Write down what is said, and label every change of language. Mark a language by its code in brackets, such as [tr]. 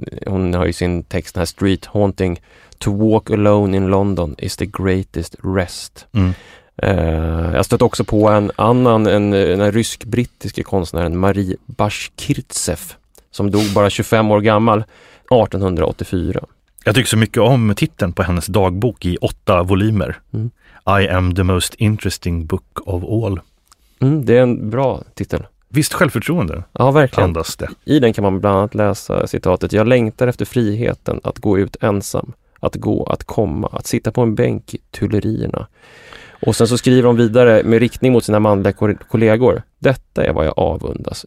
[sv] Hon har ju sin text, den här Street Haunting: [en] to walk alone in London is the greatest rest. [sv] Jag stött också på en annan, en rysk-brittisk konstnär, Marie Bashkirtseff, som dog bara 25 år gammal 1884. Jag tycker så mycket om titeln på hennes dagbok i 8 volymer. [en] I am the most interesting book of all. [sv] Det är en bra titel. Visst självförtroende. Ja, verkligen. Andas det. I den kan man bland annat läsa citatet: jag längtar efter friheten att gå ut ensam, att gå, att komma, att sitta på en bänk i Tullerierna. Och sen så skriver hon vidare med riktning mot sina manliga kollegor: detta är vad jag avundas.